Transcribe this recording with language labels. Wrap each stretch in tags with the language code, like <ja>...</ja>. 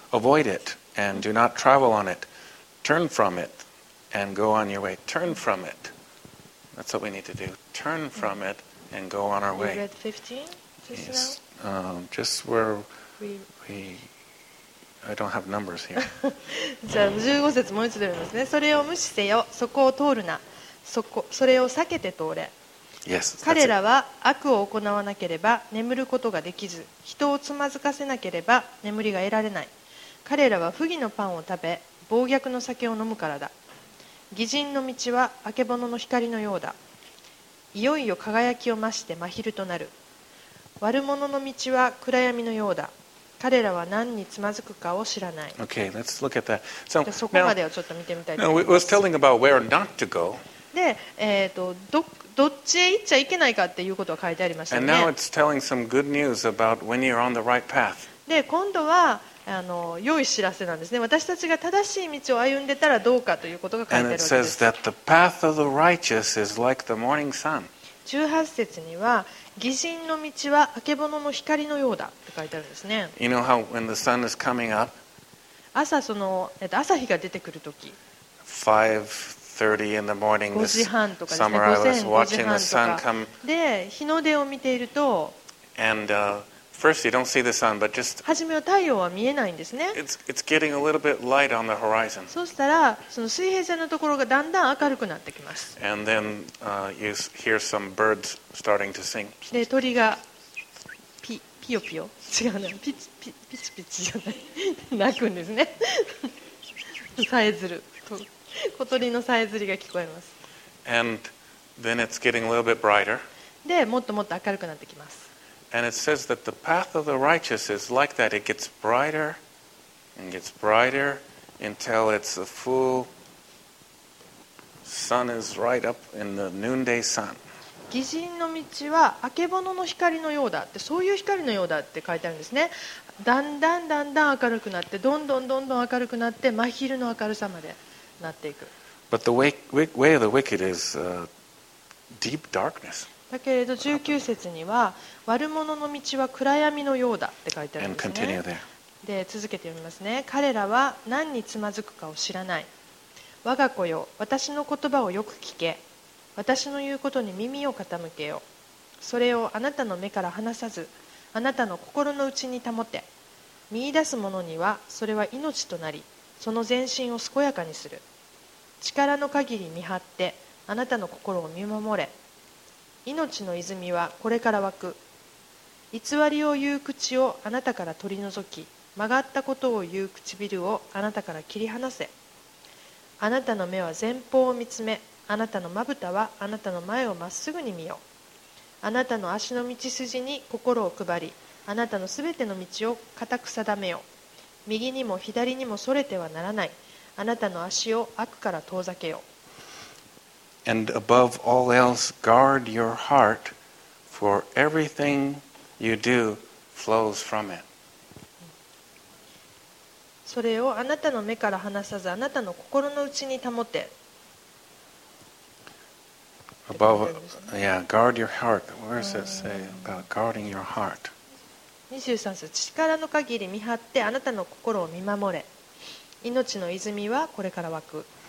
<en>Avoid it and do not travel on it. Turn from it and go on your way. Turn from it. That's what we need to do. Turn from it and go on our way. We read 15 just now? Just where we... I don't have numbers here.</en> <ja>じゃあ15節もう一度読みますね。それを無視せよ。そこを通るな。それを避けて通れ。</ja> <en>Yes,</en> <ja>彼らは悪を行わなければ眠ることができず、人をつまずかせなければ眠りが得られない。彼らは不義のパンを食べ、暴虐の酒を飲むからだ。義人の道は明け物の光のようだ。いよいよ輝きを増して真昼となる。悪者の道は暗闇のようだ。彼らは何につまずくかを知らない。</ja> <en>Okay, let's look at that.</en> <ja>So, そこまでをちょっと見てみたいと思います。</ja> <en>Now, we was telling about where not to go.</en> <ja>で、どっちへ行っちゃいけないかっていうことが書いてありましたね。</ja> <en>And now it's telling some good news about when you're on the right path.</en> <ja>で、今度は良い知らせなんですね。私たちが正しい道を歩んでたらどうかということが書いてあるわけです。</ja> <en>And it says that the path of the righteous is like the morning sun.</en> <ja>18節には義人の道は明け物の光のようだって書いてあるんですね。</ja> <en>You know how when the sun is coming up?</en> <ja>朝日が出てくるとき。</ja> <en>5:30 in the morning.</en> <ja>5時半とかですね。午前5時半とか。</ja> <en>I was watching the sun come.</en> <ja>で、日の出を見ていると。</ja> <en>And first you don't see the sun, but just.</en> <ja>初めは太陽は見えないんですね。</ja> <en>It's getting a little bit light on the horizon.</en> <ja>そうしたら、その水平線のところがだんだん明るくなってきます。</ja> <en>And then you hear some birds starting to sing.</en> <ja>で、鳥がピヨピヨ違うな、ピチピチじゃない、鳴くんですね。さえずる。小鳥のさえずりが聞こえます。</ja> <en>And then it's getting a little bit brighter.</en> <ja>で、もっともっと明るくなってきます。</ja> <en>And it says that the path of the righteous is like that. It gets brighter and gets brighter until it's the full sun is right up in the noonday sun.</en> <ja>義人の道は明け物の光のようだって、そういう光のようだって書いてあるんですね。だんだんだんだん明るくなって、どんどんどんどん明るくなって、真昼の明るさまで。なっていく。</ja> <en>But the way of the wicked is deep darkness.</en> <ja>だけれど19節には悪者の道は暗闇のようだって書いてあるんですね。</ja> <en>And continue there.</en> <ja>で続けて読みますね。彼らは何につまずくかを知らない。我が子よ、私の言葉をよく聞け。私の言うことに耳を傾けよ。それをあなたの目から離さず、あなたの心の内に保て。見出す者にはそれは命となり。その全身を健やかにする。力の限り見張って、あなたの心を見守れ。命の泉はこれから湧く。偽りを言う口をあなたから取り除き、曲がったことを言う唇をあなたから切り離せ。あなたの目は前方を見つめ、あなたのまぶたはあなたの前をまっすぐに見よ。あなたの足の道筋に心を配り、あなたのすべての道を固く定めよ。右にも左にもそれてはならない。あなたの足を悪から遠ざけよ。</ja> <en>And above all else, guard your heart, for everything you do flows from it.</en> <ja>それをあなたの目から離さず、あなたの心の内に保て。</ja> <en>Above, yeah, guard your heart. Where does it say about guarding your heart?</en> <ja>23節、力の限り見張ってあなたの心を見守れ。命の泉はこれから湧く。</ja>